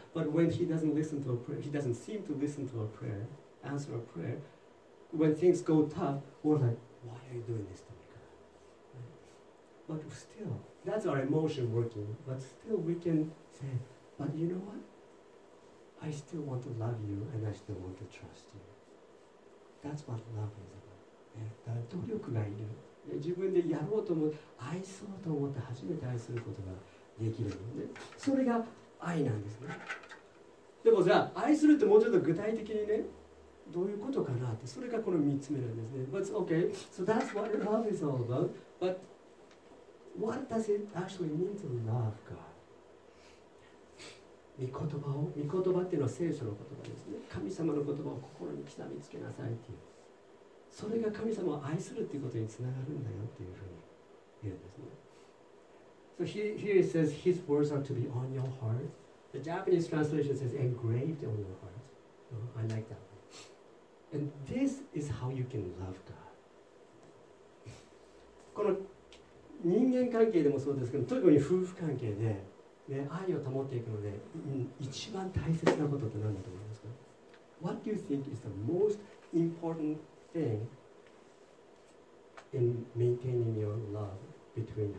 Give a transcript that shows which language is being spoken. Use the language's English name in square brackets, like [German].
[English] But when he doesn't listen to a prayer, he doesn't seem to listen to a prayer, answer a prayer, when things go tough, we're like, why are you doing this to me, God? But still, that's our emotion working. But still we can say, but you know what? I still want to love you and I still want to trust you. That's what love is about. Yeah, that [Japanese] 努力がいる。自分でやろうと思う、愛そうと思って初めて愛することができるので、それが愛なんですね。でもじゃあ、愛するってもうちょっと具体的にね、どういうことかなって、それがこの3つ目なんですね。 [English] But okay, so that's what love is all about. ButWhat does it actually mean to love God? [Japanese] 御言葉っていうのは聖書の言葉ですね。神様の言葉を心に刻みつけなさいっていう。それが神様を愛するっていうことにつながるんだよっていうふうに言うんですね。 [English] So here it says, His words are to be on your heart. The Japanese translation says, engraved on your heart. I like that one. And this is how you can love God. [Japanese] この人間関係でもそうですけど、特に夫婦関係で、ね、愛を保っていくので、一番大切なことって何だと思いますか？ [English] What do you think is the most important thing in maintaining your love between husband and wife?